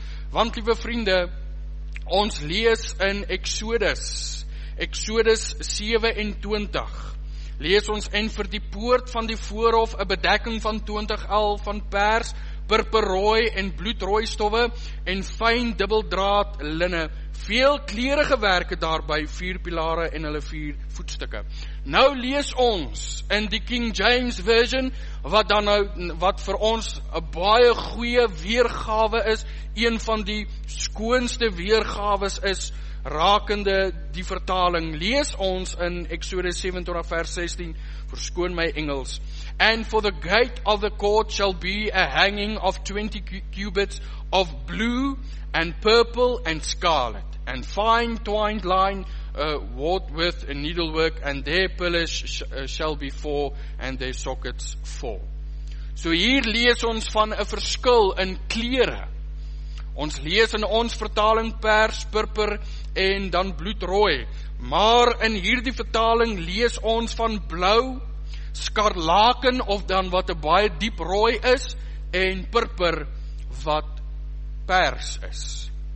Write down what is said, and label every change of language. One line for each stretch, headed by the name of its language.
Afrikaans: Want, liewe vriende, ons lees in Exodus 27, lees ons, en vir die poort van die voorhof 'n bedekking van 20 el van pers, purperrooi en bloedrooi stowwe en fyn dubbeldraad linne, veel kleurige werke daarby, vier pilare en hulle vier voetstukke. Nou lees ons in die King James Version, wat dan nou, wat vir ons 'n baie goeie weergawe is, een van die skoonste weergawes is, rakende die vertaling. Lees ons in Exodus 27 vers 16, verskoon my Engels,
English: and for the gate of the court shall be a hanging of 20 cubits of blue and purple and scarlet, and fine twined line wrought with a needlework, and their pillars shall be four, and their sockets four.
Afrikaans: So hier lees ons van 'n verskil in kleure. Ons lees in ons vertaling pers, purper en dan bloedrooi, maar in hierdie vertaling lees ons van blou, skarlaken of dan wat 'n baie diep rooi is, en purper wat pers is.